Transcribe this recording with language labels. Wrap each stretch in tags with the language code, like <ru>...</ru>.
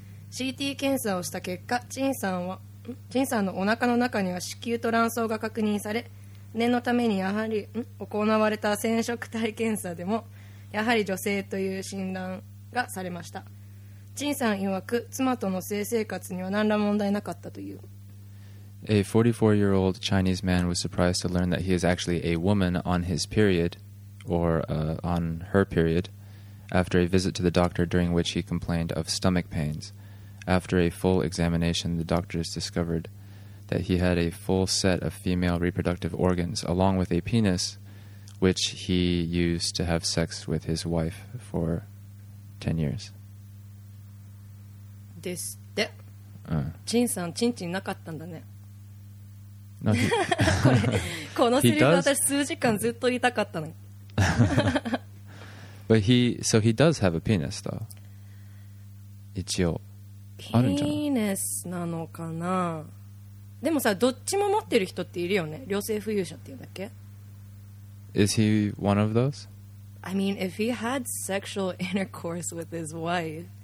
<ja>CT 検査をした結果、陳さんのお腹の中には子宮と卵巣が確認され、念のためにやはり行われた染色体検査でもやはり女性という診断がされました。陳さん曰く妻との性生活には何ら問題なかったという。</ja> <en>A 44-year-old Chinese man was surprised to learn that he is actually a woman on his period or on her period after a visit to the doctor during which he complained of stomach painsAfter a full examination, the doctors discovered that he had a full set of female reproductive organs, along with a penis, which he used to have sex with his wife for 10 years.</en> <ja>ですって。チンさん、チンチンなかったんだね。</ja> <en>No, he...</en> <ja>このセリフ私数時間ずっと言いたかったの。</ja> <en>But he, so he does have a penis, though.</en> <ja>一応。ピーネスなのかな。でもさ、どっちも持ってる人っているよね。両性浮遊者っていうんだっけ。</ja> <en>Is he one of those? I mean, if he had sexual intercourse with his wife</en>